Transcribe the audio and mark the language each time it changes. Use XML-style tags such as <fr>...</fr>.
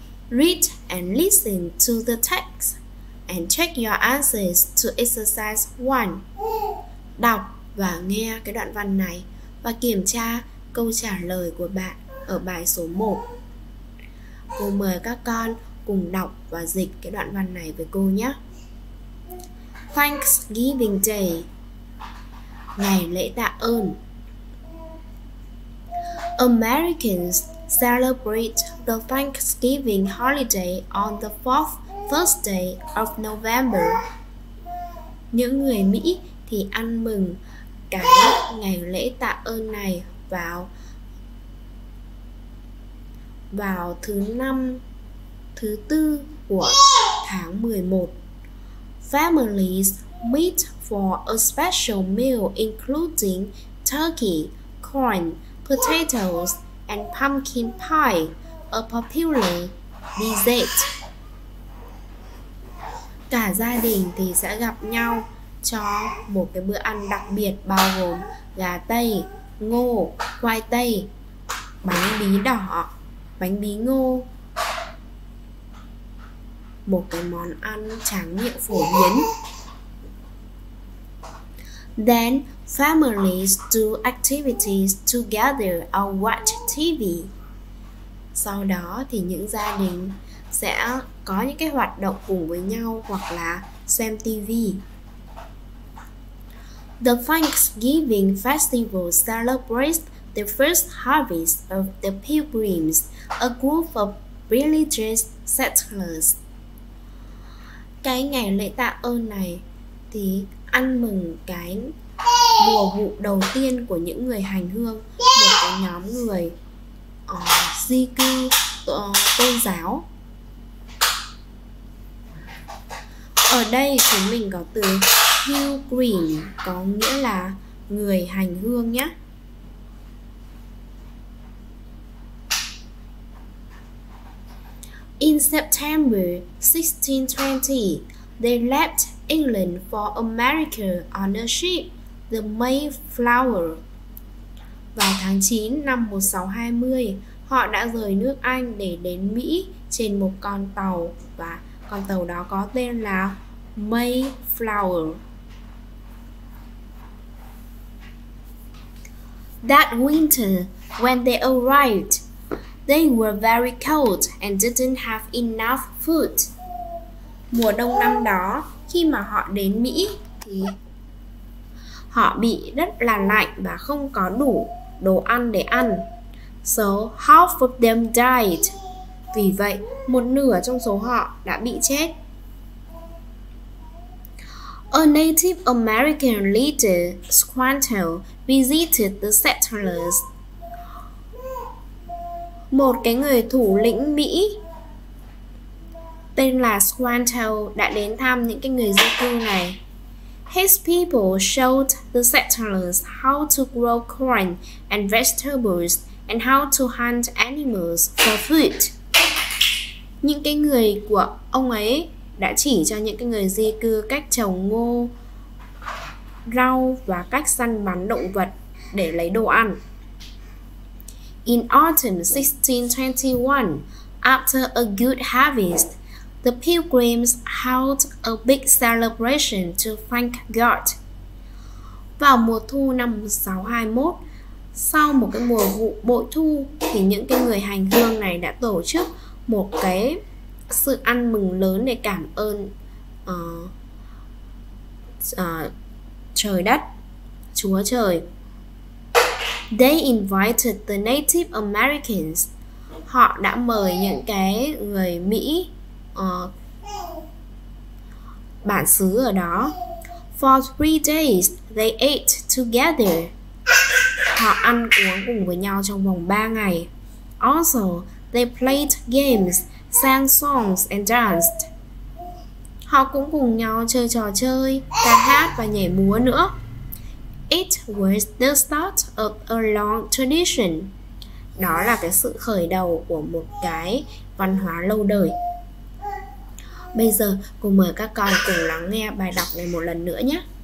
<en>Read and listen to the text and check your answers to exercise 1.</en> <vi>Đọc và nghe cái đoạn văn này và kiểm tra câu trả lời của bạn ở bài số 1. Cô mời các con cùng đọc và dịch cái đoạn văn này với cô nhé. Thanksgiving Day, ngày lễ tạ ơn.</vi> <en>Americans celebrate the Thanksgiving holiday on the fourth Thursday of November.</en> <vi>Những người Mỹ thì ăn mừng cái ngày lễ tạ ơn này vào thứ năm, thứ tư của tháng 11.</vi> <en>Families meet for a special meal including turkey, corn, potatoes, and pumpkin pie, a popular dessert.</en> <vi>Cả gia đình thì sẽ gặp nhau cho một cái bữa ăn đặc biệt bao gồm gà Tây, ngô, khoai tây, bánh bí đỏ, bánh bí ngô. một cái món ăn tráng miệng phổ biến.</vi> <en>Then families do activities together or watch TV.</en> <vi>Sau đó thì những gia đình sẽ có những cái hoạt động cùng với nhau hoặc là xem TV.</vi> <en>The Thanksgiving Festival celebrates the first harvest of the Pilgrims, a group of religious settlers.</en> <vi>Cái ngày lễ tạ ơn này thì ăn mừng cái mùa vụ đầu tiên của những người hành hương, một cái nhóm người di cư tôn giáo. Ở đây chúng mình có từ Pilgrim có nghĩa là người hành hương nhé.</vi> <en>In September 1620, they left England for America on a ship, the Mayflower.</en> <vi>Vào tháng 9 năm 1620, họ đã rời nước Anh để đến Mỹ trên một con tàu, và con tàu đó có tên là Mayflower.</vi> <en>That winter, when they arrived, they were very cold and didn't have enough food.</en> <vi>Mùa đông năm đó, khi mà họ đến Mỹ thì họ bị rất là lạnh và không có đủ đồ ăn để ăn.</vi> <en>So half of them died.</en> <vi>Vì vậy, một nửa trong số họ đã bị chết.</vi> <en>A Native American leader, Squanto, visited the settlers.</en> <vi>Một cái người thủ lĩnh Mỹ tên là Squanto đã đến thăm những cái người di cư này.</vi> <en>His people showed the settlers how to grow corn and vegetables and how to hunt animals for food.</en> <vi>Những cái người của ông ấy đã chỉ cho những cái người di cư cách trồng ngô, rau và cách săn bắn động vật để lấy đồ ăn.</vi> <en>In autumn 1621, after a good harvest, the pilgrims held a big celebration to thank God.</en> <vi>Vào mùa thu năm 1621, sau một cái mùa vụ bội thu, thì những cái người hành hương này đã tổ chức một cái sự ăn mừng lớn để cảm ơn trời đất, Chúa trời.</vi> <en>They invited the Native Americans.</en> <vi>Họ đã mời những cái người Mỹ bản xứ ở đó.</vi> <en>For 3 days they ate together.</en> <vi>Họ ăn uống cùng với nhau trong vòng 3 ngày.</vi> <en>Also, they played games, sang songs and danced.</en> <vi>Họ cũng cùng nhau chơi trò chơi, ca hát và nhảy múa nữa.</vi> <en>It was the start of a long tradition.</en> <vi>Đó là cái sự khởi đầu của một cái văn hóa lâu đời. Bây giờ cô mời các con cùng lắng nghe bài đọc này một lần nữa nhé.</vi>